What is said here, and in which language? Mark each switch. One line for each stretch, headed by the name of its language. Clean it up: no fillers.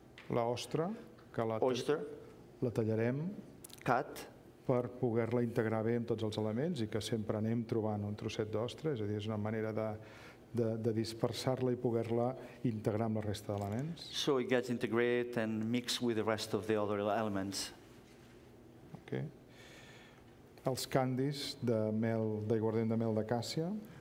Catalan: L'ostra, que la tallarem per poder-la integrar bé amb tots els elements i que sempre anem trobant un trosset d'ostra, és a dir, és una manera de dispersar-la i poder-la integrar amb la resta d'elements.
English: So it gets integrated and mixed with the rest of the other elements. Okay.
Catalan: Els candis de mel, d'aiguardent de mel d'acàcia.